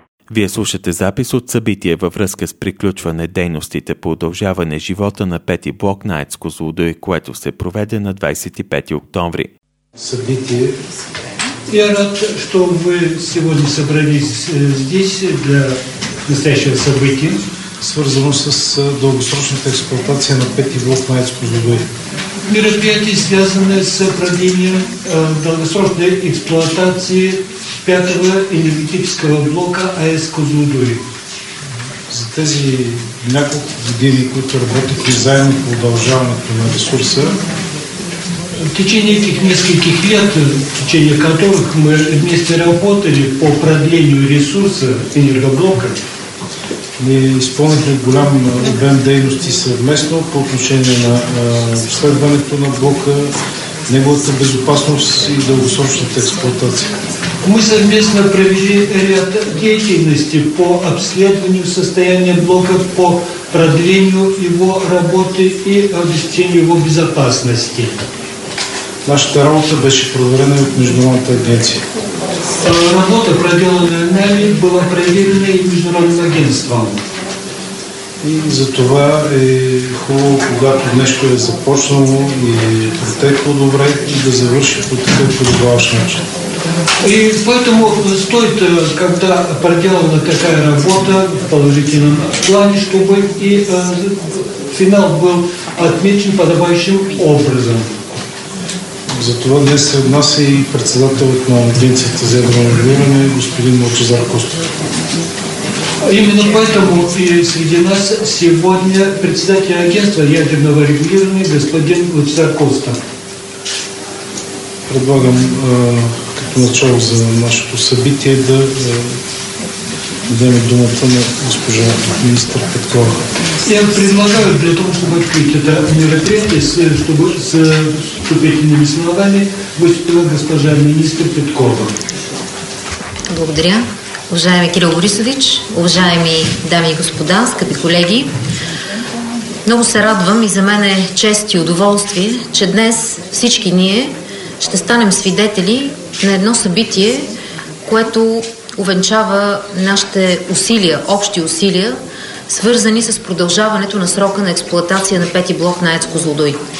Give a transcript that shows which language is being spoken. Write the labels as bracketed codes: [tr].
[bg] Вие слушате запис от събитие във връзка с приключване дейностите по удължаване живота на пети блок на АЕЦ Козлодуй, което се проведе на 25 октомври. [ru] Събитие. Я рад, що ви сегодня събрались здесь для настоящего събития, [bg] свързано с дългосрочната експлуатация на пети блок на АЕЦ Козлодуй. [ru] Мероприятие, связанное с управлением долгосрочной эксплуатации пятого энергетического блока АЕС Козлодуй. [bg] За тези няколко години, които работихме заедно по удължаването на ресурса, [ru] в течение этих нескольких лет, в течение которых мы вместе работали по продлению ресурса энергоблока, [bg] ние изпълнихме голям обем дейности съвместно по отношение на обследването на блока, неговата безопасност и дългосрочната експлуатация. [ru] Мы совместно провели ряд деятельности по обследованию состояния блока, по продлению его работы и обеспечению его безопасности. [bg] Нашата работа беше проверена от Международната агенция. [ru] Работа, проделанная нами, была проверена и Международным агентством. [bg] И затова е хубаво, когато нещо е започнало и протекло добре, и да завърши по такъв подобаващ начин. [ru] И поэтому стоит, когда проделана такая работа в положительном плане, чтобы и финал был отмечен подобающим образом. [bg] Затова днес се отнася и председателът на Агенцията за ядрено регулиране, господин Мълчезар Костов. [ru] Именно поэтому и среди нас сегодня председатель агентства ядерного регулирования господин Мълчезар Костов. [bg] Предлагам като начало за нашето събитие да дадем думата на госпожа министър Петкова. [ru] Я предлагаю для того, чтобы открыть это мероприятие, чтобы с вступительными словами выступила госпожа министр Петкова. [bg] Благодаря. Уважаеми Кирил Борисович, уважаеми дами и господа, скъпи колеги, много се радвам и за мен е чест и удоволствие, че днес всички ние ще станем свидетели на едно събитие, което увенчава нашите усилия, общи усилия, свързани с продължаването на срока на експлоатация на пети блок на АЕЦ Козлодуй.